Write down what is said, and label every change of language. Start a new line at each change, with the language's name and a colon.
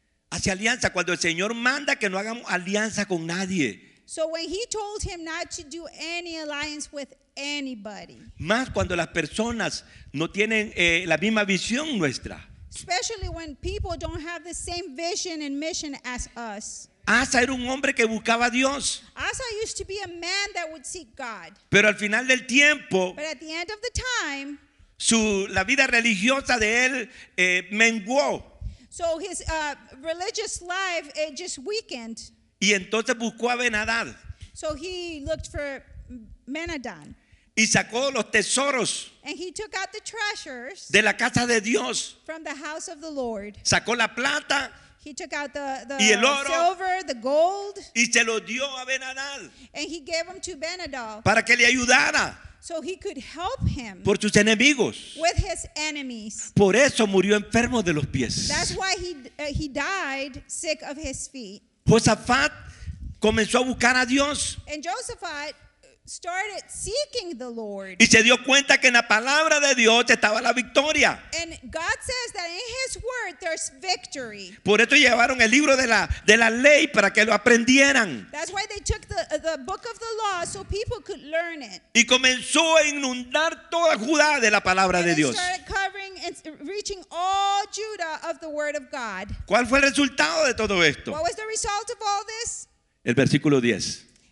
Spanish: Hace alianza cuando el Señor manda que no hagamos alianza con nadie.
English: So when he told him not to do any alliance with anybody.
Spanish: Más cuando las personas no tienen la misma visión nuestra.
English: Especially when people don't have the same vision and mission as us.
Spanish: Asa era un hombre que buscaba a Dios.
English: Asa used to be a man that would seek God.
Spanish: Pero al final del tiempo,
English: but at the end of the time,
Spanish: la vida religiosa de él menguó.
English: So his religious life, it just weakened.
Spanish: Y entonces buscó a Benadad.
English: So he looked for Benadad.
Spanish: Y sacó los tesoros.
English: And he took out the treasures
Spanish: de la casa de Dios.
English: From the house of the Lord.
Spanish: Sacó la plata.
English: He took out the silver, the gold,
Spanish: y se lo dio a Benadad,
English: and he gave them to Benadad
Spanish: para que le ayudara,
English: so he could help him
Spanish: por sus enemigos,
English: with his enemies.
Spanish: Por eso murió enfermo de los pies.
English: That's why he died sick of his feet.
Spanish: Josafat comenzó a buscar a Dios.
English: And Josafat started seeking the Lord.
Spanish: Y se dio cuenta que en la palabra de Dios estaba la victoria.
English: And God says that in his word there's victory.
Spanish: Por eso llevaron el libro de la ley para que lo aprendieran.
English: That's why they took the book of the law so people could learn it.
Spanish: Y comenzó a inundar toda Judá de la palabra
English: and
Spanish: de Dios.
English: And started covering and reaching all Judah of the word of God.
Spanish: ¿Cuál fue el resultado de todo esto?
English: What was the result of all this?
Spanish: El versículo 10.